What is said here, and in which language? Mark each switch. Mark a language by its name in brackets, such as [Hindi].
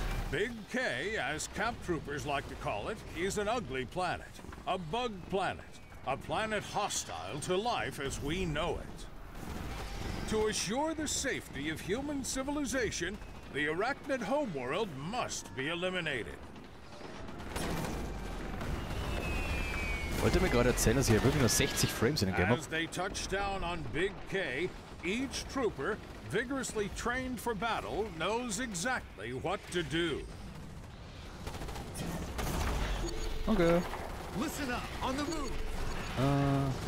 [English] Big K, as camp troopers like to call it, is an ugly planet. A bug planet. A planet hostile to life as we know it. To assure the safety of human civilization, the arachnid homeworld must be eliminated. [German] Wollte mir gerade erzählen, dass hier wirklich nur 60 Frames in dem Game. [English] As they touch down on Big K, each trooper, vigorously trained for battle, knows exactly what to do. Okay. Listen up, on the move.